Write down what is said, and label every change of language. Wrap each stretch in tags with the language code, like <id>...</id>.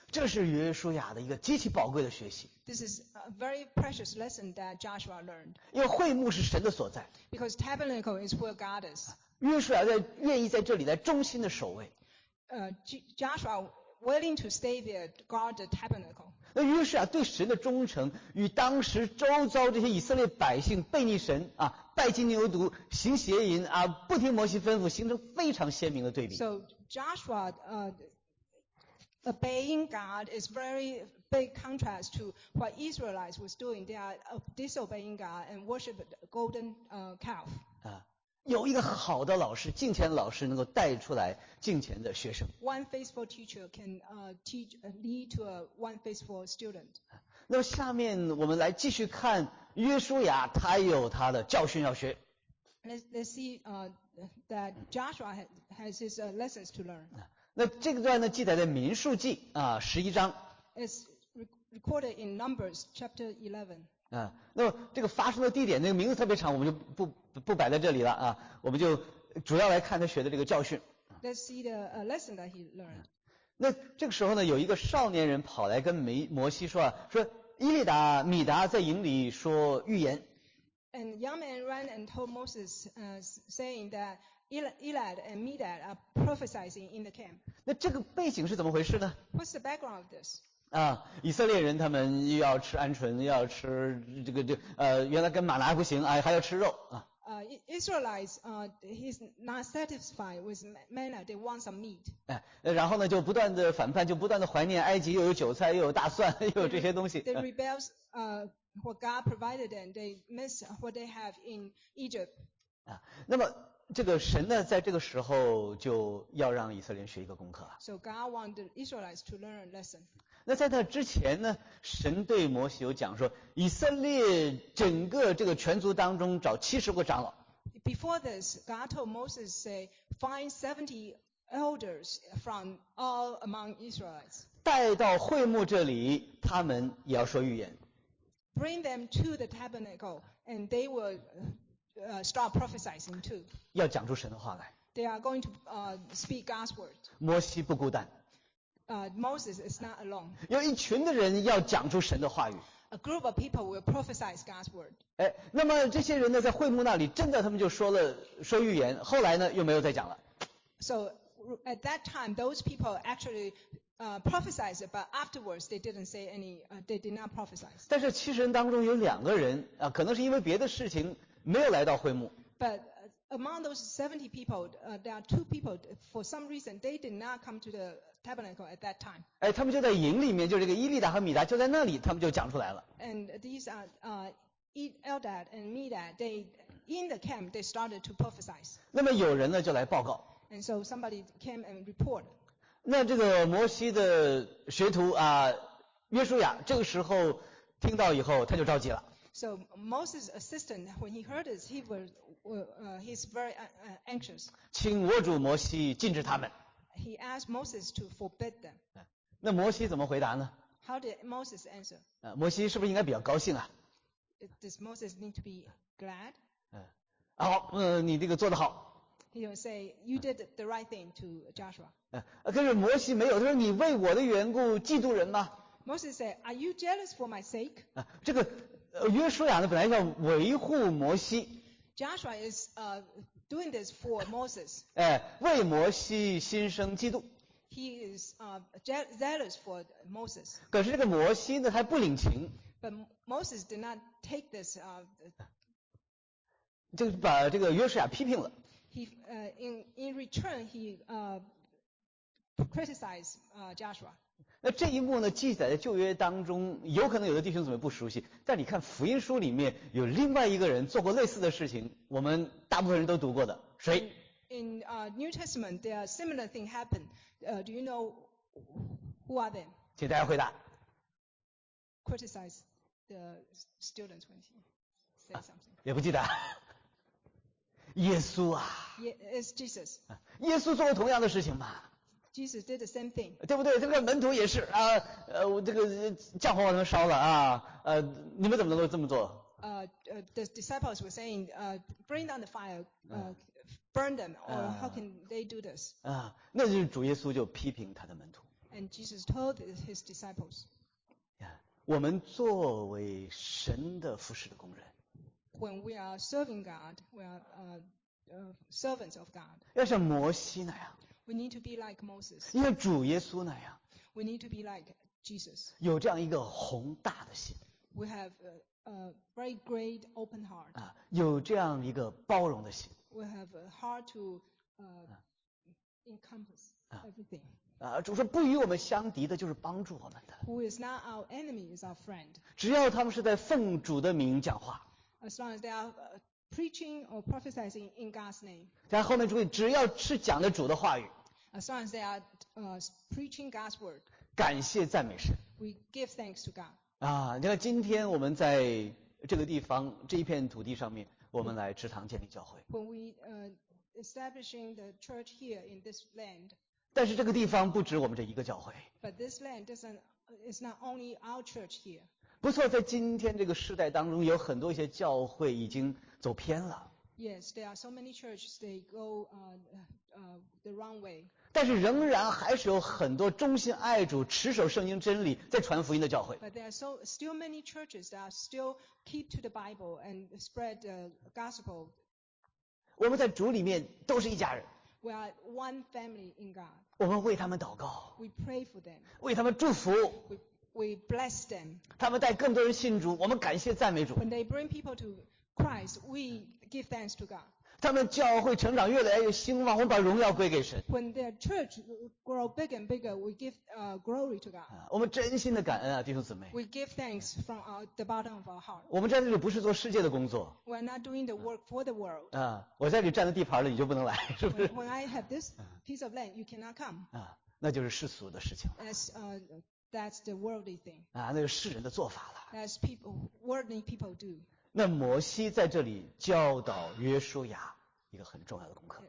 <zh>这是约书亚的一个极其宝贵的学习。</zh> <en>This is a very precious lesson that Joshua learned.</en> <zh>因为会幕是神的所在。</zh> <en>Because tabernacle is where God is.</en> <zh>约书亚在愿意在这里来忠心的守卫。</zh> <en>Joshua willing to stay there guard the tabernacle.</en> <zh>那约书亚对神的忠诚与当时周遭这些以色列百姓悖逆神啊，拜金牛犊，行邪淫啊，不听摩西吩咐，形成非常鲜明的对比。</zh> <en>So Joshua, obeying God is very big contrast to what Israelites was doing. They are disobeying God and worship the golden calf.</en> <zh>有一个好的老师，敬虔老师能够带出来敬虔的学生。</zh> <en>One faithful teacher can lead to a one faithful student.</en> <zh>那么下面我们来继续看约书亚，他有他的教训要学。</zh> <en>Let's see, that Joshua has his lessons to learn.</en> <zh>那这个段呢，记载在民数记啊，十一章。</zh> <en>It's recorded in Numbers chapter 11.</en> <zh>啊，那么这个发生的地点，那个名字特别长，我们就不摆在这里了啊，我们就主要来看他学的这个教训。</zh> <en>Let's see the lesson that he learned.</en> <zh>那这个时候呢，有一个少年人跑来跟摩西说啊，说伊利达、米达在营里说预言。</zh> <en>And young man ran and told Moses, saying that Elad and Medad are prophesying in the camp.</en> <zh>那这个背景是怎么回事呢？</zh> <en>What's the background of this?</en> <zh>啊，以色列人他们又要吃鹌鹑，又要吃这个原来跟玛拿不行，哎，还要吃肉啊。</zh> <en>Israelites, he's not satisfied with manna. They want some meat.</en> <zh>哎，然后呢，就不断的反叛，就不断的怀念埃及，又有韭菜，又有大蒜，又有这些东西。</zh> <en>They rebels, what God provided them, they miss what they have in Egypt.</en> <zh>啊，那么这个神呢，在这个时候就要让以色列学一个功课。</zh> <en>So God wanted Israelites to learn a lesson.</en> <zh>那在那之前呢，神对摩西有讲说，以色列整个这个全族当中找70个长老。</zh> <en>Before this, God told Moses say, find 70 elders from all among Israelites.</en> <zh>带到会幕这里，他们也要说预言。</zh> <en>Bring them to the tabernacle, and they will start prophesying too.</en> <zh>要讲出神的话来。</zh> <en>They are going to speak God's word.</en> <zh>摩西不孤单。</zh> <en>Moses is not alone.</en> <zh>有一群的人要讲出神的话语。</zh> <en>A group of people will prophesy God's word.</en> <zh>哎，那么这些人呢，在会幕那里，真的他们就说预言，后来呢，又没有再讲了。</zh> <en>So at that time, those people actually prophesied, but afterwards they didn't say any, they did not prophesy.</en> <zh>但是七十人当中有两个人啊，可能是因为别的事情没有来到会幕。</zh> <en>But among those 70 people, there are two people for some reason they did not come to the tabernacle at that time.</en> <zh>哎，他们就在营里面，就这个伊利达和米达就在那里，他们就讲出来了。</zh> <en>And these are Eldad and Medad. They in the camp they started to prophesy.</en> <zh>那么有人呢就来报告。</zh> <en>And so somebody came and reported.</en> <zh>那这个摩西的学徒啊，约书亚这个时候听到以后，他就着急了。</zh> <en>So Moses' assistant, when he heard this, he was he's very anxious.</en> <zh>请我主摩西禁止他们。</zh> <en>He asked Moses to forbid them.</en> <zh>那摩西怎么回答呢？</zh> <en>How did Moses answer?</en> <zh>摩西是不是应该比较高兴啊？</zh> <en>Does Moses need to be glad?</en> <zh>好，你这个做得好。</zh> <en>He will say, you did the right thing to Joshua.</en> <zh>可是摩西没有，他说你为我的缘故嫉妒人吗？</zh> <en>Moses said, are you jealous for my sake?</en> <zh>这个约书亚呢，本来要维护摩西。</zh> <en>Joshua is doing this for Moses.</en> <zh>哎，为摩西心生嫉妒。</zh> <en>He is zealous for Moses.</en> <zh>可是这个摩西呢，还不领情。</zh> <en>But Moses did not take this.</en> <zh>就把这个约书亚批评了。</zh> <en>He in return he criticized Joshua.</en> <zh>那这一幕呢，记载在旧约当中，有可能有的弟兄姊妹不熟悉，但你看福音书里面有另外一个人做过类似的事情，我们大部分人都读过的，谁？</zh> <en>In New Testament, there are similar thing happen. Do you know who are them?</en> <zh>请大家回答。</zh> <en>Criticize the students when he say something.</en> <zh>也不记得。耶稣啊。</zh> <en>It's Jesus.</en> <zh>耶稣做过同样的事情吗？</zh> <en>Jesus did the same thing.</en> <zh>对不对？这个门徒也是啊，这个帐篷把他们烧了啊，你们怎么能够这么做？</zh> <en>The disciples were saying, bring down the fire, burn them, or how can they do this?</en> <zh>啊，那就是主耶稣就批评他的门徒。</zh> <en>And Jesus told his disciples.</en> <zh>我们作为神的服事的工人。</zh> <en>When we are serving God, we are servants of God.</en> <zh>要像摩西那样。</zh> <en>We need to be like Moses.</en> <zh>因为主耶稣那样。</zh> <en>We need to be like Jesus.</en> <zh>有这样一个宏大的心。</zh> <en>We have a very great open heart.</en> <zh>啊，有这样一个包容的心。</zh> <en>We have a heart to encompass everything.</en> <zh>啊，主说不与我们相敌的，就是帮助我们的。</zh> <en>Who is not our enemy is our friend.</en> <zh>只要他们是在奉主的名讲话。</zh> <en>As long as they are preaching or prophesizing in God's name.</en> <zh>在后面注意，只要是讲的主的话语。</zh> <en>As long as they are preaching God's word.</en> <zh>感谢赞美神。</zh> <en>We give thanks to God.</en> <zh>啊，你看今天我们在这个地方这一片土地上面，我们来池塘建立教会。</zh> <en>When we establishing the church here in this land.</en> <zh>但是这个地方不止我们这一个教会。</zh> <en>But this land doesn't, it's not only our church here.</en> <zh>不错，在今天这个时代当中，有很多一些教会已经走偏了。</zh> <en>Yes, there are so many churches they go the wrong way.</en> <zh>但是仍然还是有很多忠心爱主、持守圣经真理、在传福音的教会。</zh> <en>But there are so still many churches that are still keep to the Bible and spread the gospel.</en> <zh>我们在主里面都是一家人。</zh> <en>We are one family in God.</en> <zh>我们为他们祷告。</zh> <en>We pray for them.</en> <zh>为他们祝福。</zh> <en>We bless them.</en> <zh>他们带更多人信主，我们感谢赞美主。</zh> <en>When they bring people to Christ, we give thanks to God.</en> <zh>他们教会成长越来越兴旺，我们把荣耀归给神。</zh> <en>When their church grow big and bigger, we give glory to God.</en> <zh>我们真心的感恩啊，弟兄姊妹。</zh> <en>We give thanks from the bottom of our heart.</en> <zh>我们站在这里不是做世界的工作。</zh> <en>We're not doing the work for the world.</en> <zh>啊，我在这里占了地盘了，你就不能来，是不是</zh> <en>？When I have this piece of land, you cannot come.</en> <zh>啊，那就是世俗的事情。</zh> <en>That's the worldly thing.</en> <zh>啊，那是世人的做法了。</zh> <en>That's people, worldly people do.</en> <zh>那摩西在这里教导约书亚一个很重要的功课。</zh>